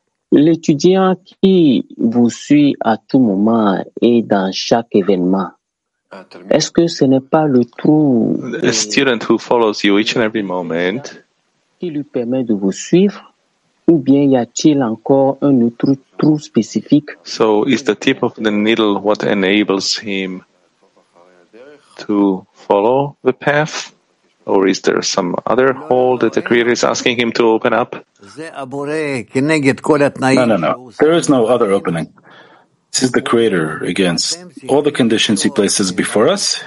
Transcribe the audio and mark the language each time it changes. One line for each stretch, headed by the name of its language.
French: L'étudiant qui vous suit à tout moment et dans chaque événement, est-ce que ce n'est pas le tout?
English: A student who follows you each and every moment,
French: qui lui permet de vous suivre, ou bien y a-t-il encore un autre trou spécifique?
English: So is the tip of the needle what enables him to follow the path, or is there some other hole that the Creator is asking him to open up? No. There is no other opening. This is the Creator against all the conditions he places before us.